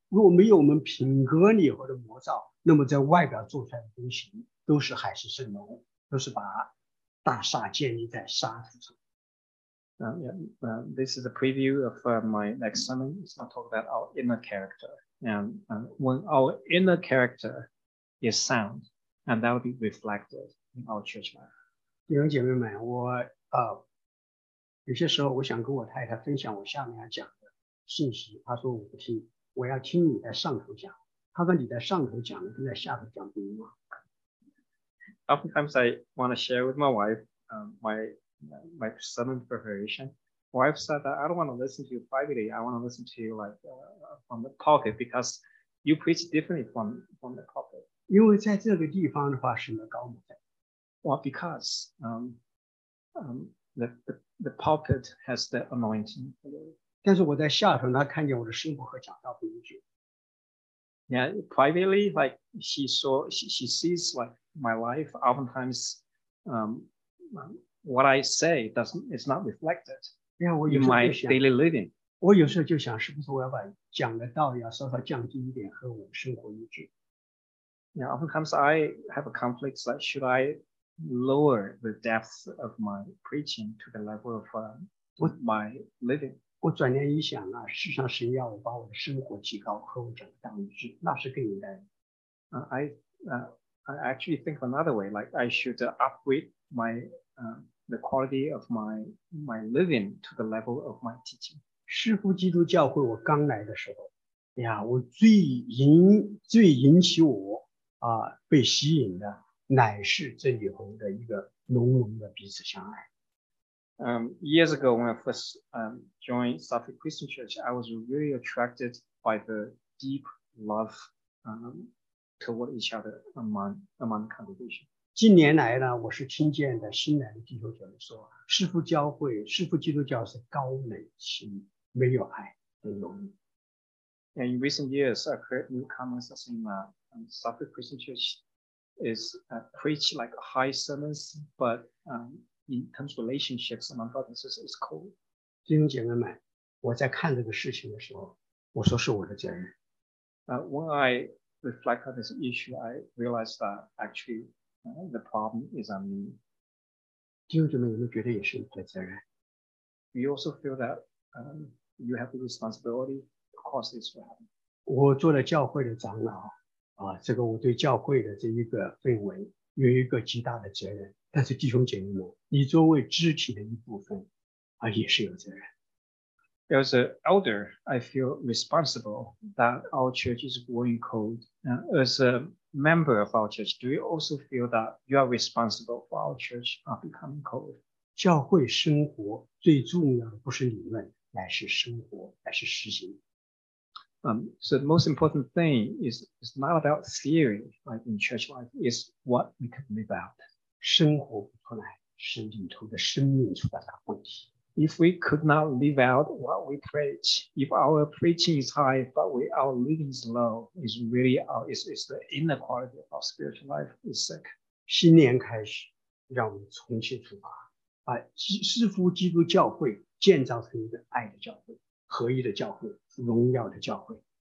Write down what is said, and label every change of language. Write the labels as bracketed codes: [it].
[zh] 如果没有我们品格里头的磨造，那么在外表做出来的东西都是海市蜃楼，都是把大厦建立在沙土上。 [en] This is a preview of my next sermon. It's going to talk about our inner character. And when our inner character is sound, and that will be reflected in our church life. [zh] 弟兄姐妹们，我有些时候我想跟我太太分享我下面要讲的信息，她说我不听，我要听你在上头讲。她说你在上头讲的跟在下头讲不一样。 [en] Oftentimes I want to share with my wife, my sermon preparation. Wife said that I don't want to listen to you privately. I want to listen to you like from the pulpit because you preach differently from the pulpit. [zh] 因为在这个地方的话是个高门。 [en] Well, because the pulpit has the anointing. [zh] 但是我在下头，他看见我的生活和讲道不一致。 [en] Yeah, privately, like she sees like my life oftentimes. What I say doesn't, it's not reflected in my daily living. [zh] 我有时候就想，是不是我要把讲的道要稍稍降低一点，和我生活一致。 [en] Yeah, oftentimes I have a conflict, like should I lower the depth of my preaching to the level of my living? [zh] 我转念一想啊，事实上神要我把我的生活提高，和我讲的道一致，那是更应该。 [en] I actually think another way, like I should upgrade my the quality of my living to the level of my teaching. [zh] 师父基督教会我刚来的时候，呀，我最引起我被吸引的乃是这里头的一个浓浓的彼此相爱。 [en] Years ago, when I first joined Suffolk Christian Church, I was really attracted by the deep love toward each other among congregation. [zh] 近年来呢，我是听见的新来的弟兄姐妹说，师父教会、师父基督教是高冷清，没有爱，很容易。 [en] And in recent years, I've heard newcomers saying Suffolk Christian Church is preach like high sermons, but in terms of relationships among brothers and sisters, it's cold. [zh] 弟兄姐妹们，我在看这个事情的时候，我说是我的责任。 [en] When I reflect on this issue, I realize that actually the problem is on me. [zh] 弟兄姐妹，你们觉得也是你的责任？ [en] You also feel that you have the responsibility. [zh] 我做了教会的长老啊，这个我对教会的这一个氛围有一个极大的责任。但是弟兄姐妹们，你作为肢体的一部分啊，也是有责任。 [en] As an elder, I feel responsible that our church is growing cold. As a member of our church, do you also feel that you are responsible for our church are becoming cold? [zh] 教会生活最重要的不是理论，乃是生活，乃是实行。 [en] So the most important thing is it's not about theory, like in church life, it's what we can live out. [zh] 生活不出来，是里头的生命出了大问题。 [en] If we could not live out what we preach, if our preaching is high, but our living is low, is really is the inner quality of our spiritual life is sick. [zh] 新年开始，让我们重新出发，把师父基督教会建造成一个爱的教会。合一的教会，荣耀的教会。